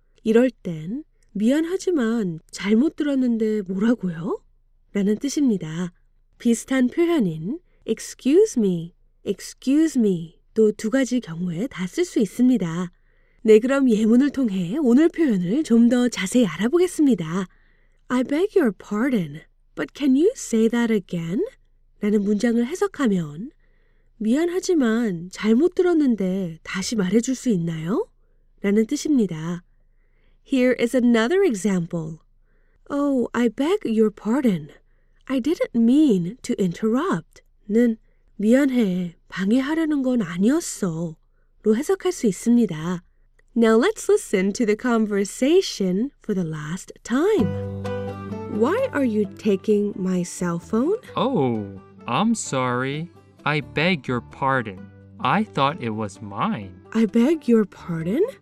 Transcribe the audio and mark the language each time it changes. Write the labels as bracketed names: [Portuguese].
[Korean] 이럴 땐 미안하지만 잘못 들었는데 뭐라고요? 라는 뜻입니다. 비슷한 표현인 [English] excuse me, excuse me [Korean] 또 두 가지 경우에 다 쓸 수 있습니다. 네, 그럼 예문을 통해 오늘 표현을 좀 더 자세히 알아보겠습니다. [English] I beg your pardon, but can you say that again? [Korean] 라는 문장을 해석하면 미안하지만 잘못 들었는데 다시 말해줄 수 있나요? 라는 뜻입니다. [English] Here is another example. Oh, I beg your pardon. I didn't mean to interrupt. [Korean] 는 미안해, 방해하려는 건 아니었어. 로 해석할 수 있습니다. [English] Now let's listen to the conversation for the last time. Why are you taking my cell phone? Oh, I'm sorry. I beg your pardon. I thought it was mine. I beg your pardon?